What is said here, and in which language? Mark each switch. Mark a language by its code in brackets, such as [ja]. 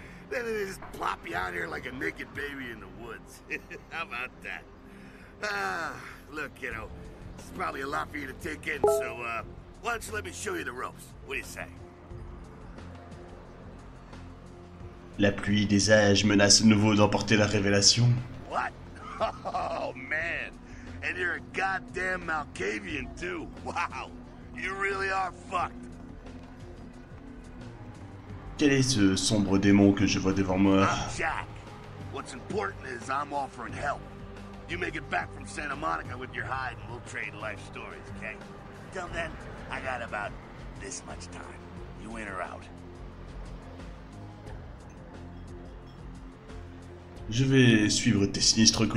[en] Then they just plop you out here like a naked baby in the woods. How about that? Look, kiddo, this is probably a lot for you to take in, so why don't you let me show you the ropes? What do you say? [fr] La pluie des âges menace de nouveau d'emporter la révélation. [en] What? Oh, man! And you're a goddamn Malkavian, too! Wow! You really are fucked! [fr] Quel est ce sombre démon que je vois devant moi? [en] Jack, what's important is I'm offering help. You make it back from Santa Monica with your hide and we'll trade life stories, okay? Till then, I got about this much time. You in or out? [fr] Je vais suivre tes sinistres cours.